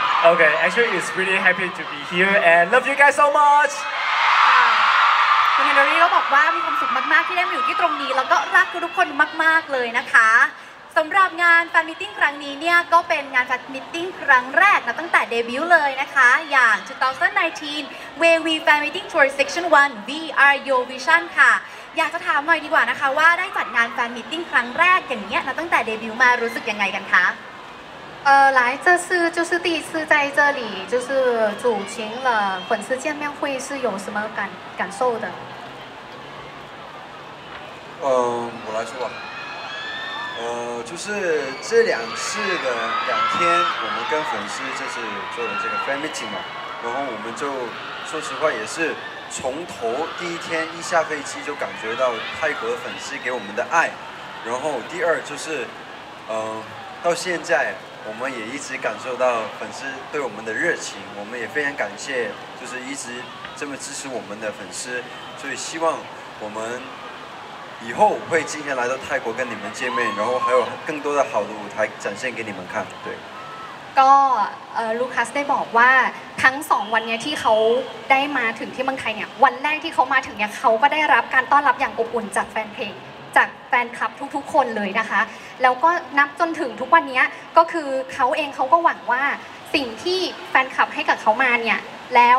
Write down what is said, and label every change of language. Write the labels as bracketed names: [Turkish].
[English] Okay, actually, it's really happy to be here and love you guys so much. [Thai] คุณเฮนรี่ก็บอกว่ามีความสุขมากๆที่ได้มาอยู่ที่ตรงนี้แล้วก็รักทุกคนมากๆเลยนะคะสำหรับงานแฟนมีตติ้งครั้งนี้เนี่ยก็เป็นงานแฟนมีตติ้งครั้งแรกนะตั้งแต่เดบิวต์เลยนะคะอย่าง2019 WeWe Fan Meeting Tour Section 1 VR Your Vision ค่ะอยากจะถามหน่อยดีกว่านะคะว่าได้จัดงานแฟนมีตติ้งครั้งแรกอย่างเงี้ยนะตั้งแต่เดบิวต์มารู้สึกยังไงกันคะ [Chinese] 来这次就是第一次在这里就是主持了粉丝见面会是有什么感受的我来说吧就是这两次的两天我们跟粉丝就是做了这个 fan meeting 嘛然后我们就说实话也是从头第一天一下飞机就感觉到泰国粉丝给我们的爱然后第二就是到现在我们也一直感受到粉丝对我们的热情，我们也非常感谢，就是一直这么支持我们的粉丝，所以希望我们以后会经常来到泰国跟你们见面，然后还有更多的好的舞台展现给你们看。对。 [Thai] ก็ลูคัสได้บอกว่าทั้งสองวันเนี้ยที่เขาได้มาถึงที่เมืองไทยเนี่ยวันแรกที่เขามาถึงเนี่ยเขาก็ได้รับการต้อนรับอย่างอบอุ่นจากแฟนเพลงจากแฟนคลับทุกๆคนเลยนะคะแล้วก็นับจนถึงทุกวันนี้ก็คือเขาเองเขาก็หวังว่าสิ่งที่แฟนคลับให้กับเขามาเนี่ยแ